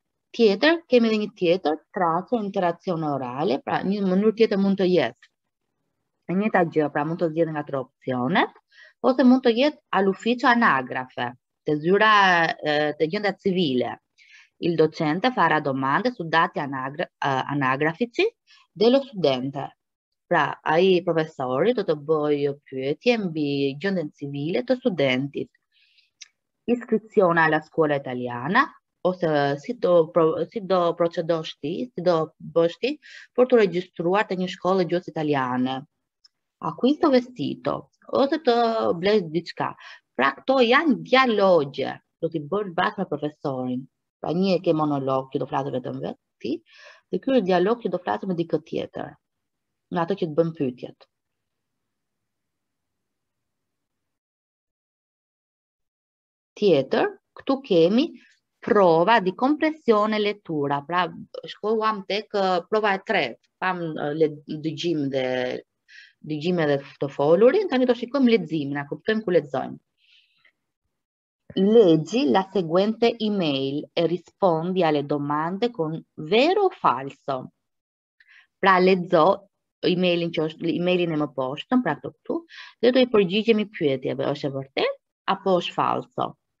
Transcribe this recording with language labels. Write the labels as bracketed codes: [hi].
[sq] Tjetër, kemi edhe një tjetër, [it] trace interazione orale, [sq] pra një mënyrë tjetër mund të jetë. E njëta gjë, pra mund të zgjedhë nga tre opsionet, ose mund të jetë [it] all'ufficio anagrafe, [sq] te zyra te gjenda civile. [it] Il docente farà domande su dati anagrafici dello studente. [sq] Pra, ai professori do të bëjë pyetje mbi gjendën civile të studentit. [it] Iscrizione alla scuola italiana, [sq] ose si do procedosh ti, si do bësh ti për të regjistruar te një shkollë gjuhës italiane. [it] Acquisto vestito, [sq] ose të blesh diçka. pra to janë dialogje, do t'i bërë bashkë me profesorin. Pra një e ke monolog, kjo do flasë vetëm vetë ti, dhe ky dialog kjo do flasë me dikë tjetër, nga ato që të bën pyetjet. Tjetër, këtu kemi [it] prova di compressione lettura, [sq] pra shkoam tek prova e tretë, pam dëgjimin dhe të folurin, tani do shikojmë leximin, a kuptojmë ku lexojmë. [it] Leggi la seguente email e rispondi alle domande con vero o falso. [sq] Pra lexo emailin e më poshtëm, pra këtu, dhe do i përgjigjemi pyetjeve, është e vërtet apo është falso?